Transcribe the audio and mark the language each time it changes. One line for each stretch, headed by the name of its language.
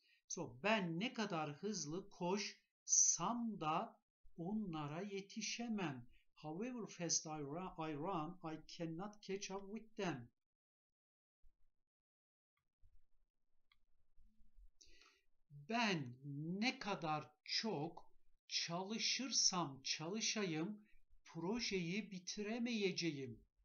Turkish: So, ben ne kadar hızlı koşsam da onlara yetişemem.
English: However fast I run, I cannot catch up with them.
Turkish: Ben ne kadar çok çalışırsam çalışayım, projeyi bitiremeyeceğim.